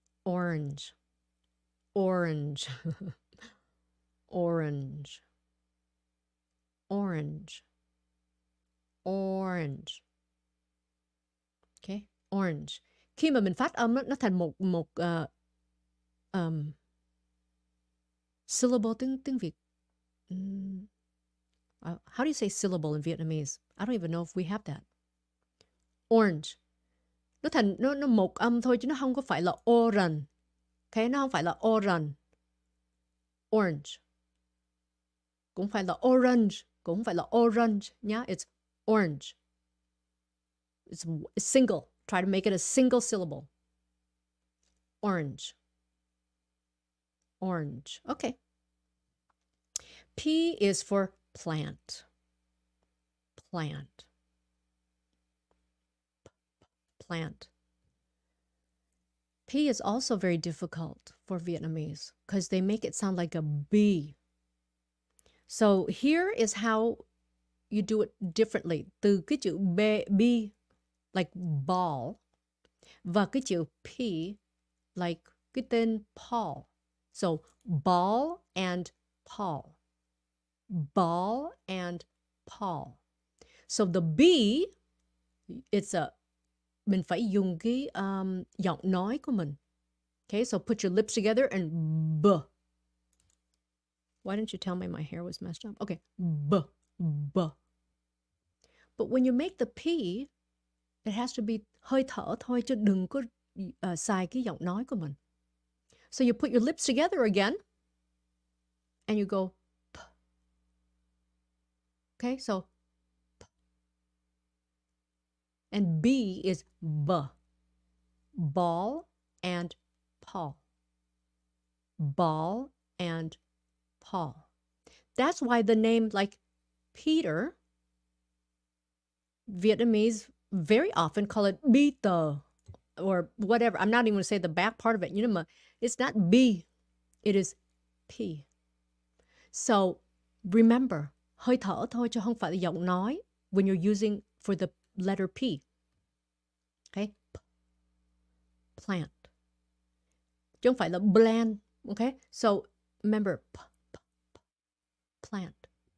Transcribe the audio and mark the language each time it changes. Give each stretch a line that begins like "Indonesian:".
English: Orange. Orange. Orange. Orange. Orange. Okay. Orange.
Vietnamese: Khi mà mình phát âm nó thành một syllable tiếng Việt.
English: How do you say syllable in Vietnamese? I don't even know if we have that. Orange.
Vietnamese: Nó một âm thôi chứ nó không có phải là oran. Okay, nó không phải là oran. Orange. Cũng phải là orange, cũng phải là orange nhá, yeah?
English: It's orange. It's single. Try to make it a single syllable. Orange. Orange. Okay. P is for plant. Plant. Plant. P is also very difficult for Vietnamese because they make it sound like a B. So here is how you do it differently.
Vietnamese: Từ cái chữ b, like ball, và cái chữ p, like cái tên Paul.
English: So ball and Paul. Ball and Paul. So the B, it's a,
Vietnamese: mình phải dùng cái giọng nói của mình.
English: Okay, so put your lips together and b. Why didn't you tell me my hair was messed up? Okay, b, b. But when you make the P, it has to be
Vietnamese: hơi thở thôi, chứ đừng có xài cái giọng nói của mình.
English: So you put your lips together again, and you go. Okay, so and B is b, ball and Paul. Ball and Paul. That's why the name like Peter, Vietnamese very often call it Peter or whatever. I'm not even going to say the back part of it. You know, it's not B, it is P. So remember,
Vietnamese: hơi thở thôi chứ không phải là giọng nói
English: when you're using for the letter P. Okay? P. Plant.
Vietnamese: Chứ không phải là
English: bland. Okay? So remember, p, p, plant.